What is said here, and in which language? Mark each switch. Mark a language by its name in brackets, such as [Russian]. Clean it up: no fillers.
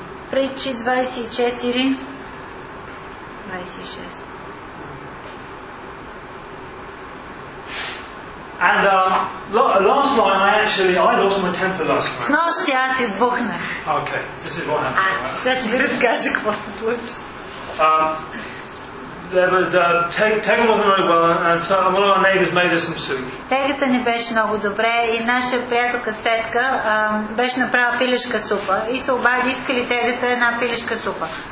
[Bulgarian] Притчи 24:26. [English] And last night I lost my temper last night. [Bulgarian] Снощи аз избухнах. [English] Okay, this is what happened. [Bulgarian] Да ще ви разкажа какво се случи. [English] Тега wasn't very well, and so one of our neighbors made us some soup. [Bulgarian] Тегата не беше много добре и наша приятелка Сетка беше направила пилешка супа и се обади, искали тегата една пилешка супа.